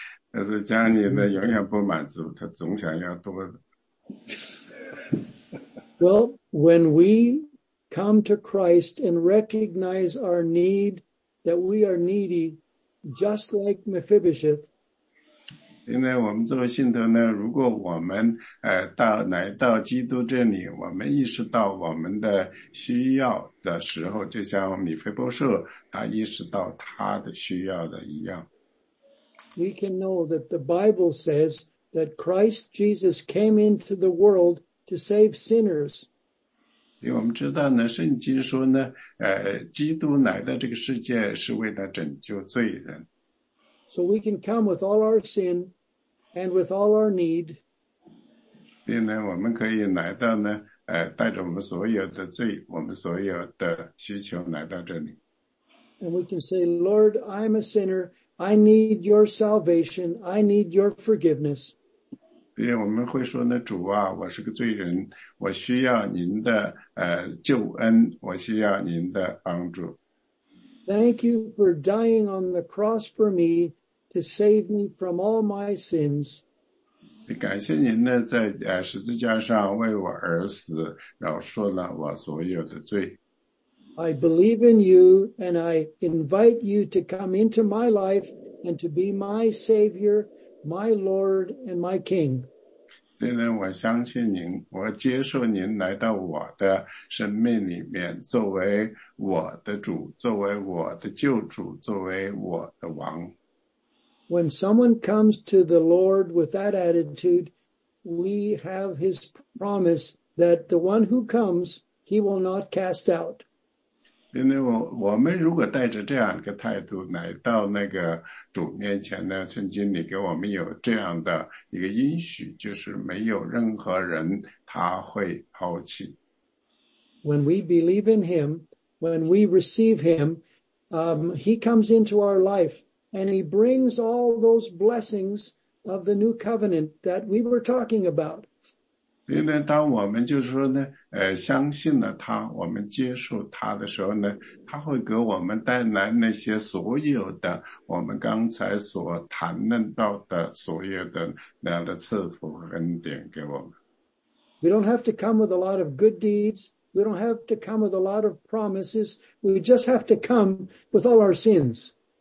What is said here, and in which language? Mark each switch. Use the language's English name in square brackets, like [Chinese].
[Chinese] 但是 Johnny 呢，永远不满足，他总想要多的。 [English] Well, when we... Come to Christ and recognize our need, that we are needy, just like Mephibosheth. [Chinese] 因为我们作为信徒呢，如果我们到来到基督这里，我们意识到我们的需要的时候，就像米菲波设他意识到他的需要的一样。 [English] We can know that the Bible says that Christ Jesus came into the world to save sinners. [Chinese] 因为我们知道呢，圣经说呢，基督来到这个世界是为了拯救罪人。 [English] So we can come with all our sin and with all our need. [Chinese] 并呢，我们可以来到呢，带着我们所有的罪，我们所有的需求来到这里。 [English] And we can say, Lord, I'm a sinner. I need your salvation. I need your forgiveness. [Chinese] 所以我们会说呢，主啊，我是个罪人，我需要您的救恩，我需要您的帮助。 [English] Thank you for dying on the cross for me to save me from all my sins. [Chinese] 感谢您呢，在十字架上为我而死，饶恕了我所有的罪。 [English] I believe in you, and I invite you to come into my life and to be my savior. My Lord and my King. [Chinese] 所以呢，我相信您，我接受您来到我的生命里面，作为我的主，作为我的救主，作为我的王。 [English] When someone comes to the Lord with that attitude, we have His promise that the one who comes, He will not cast out. [Chinese] 因为我们如果带着这样一个态度来到那个主面前呢，圣经里给我们有这样的一个应许，就是没有任何人他会抛弃。 [English] When we believe in Him, when we receive Him, He comes into our life and He brings all those blessings of the new covenant that we were talking about. [Chinese] 因为当我们就是说呢，相信了他，我们接受他的时候呢，他会给我们带来那些所有的我们刚才所谈论到的所有的那样的赐福恩典给我们。 [English] We don't have to come with a lot of good deeds. We don't have to come with a lot of promises. We just have to come with all our sins.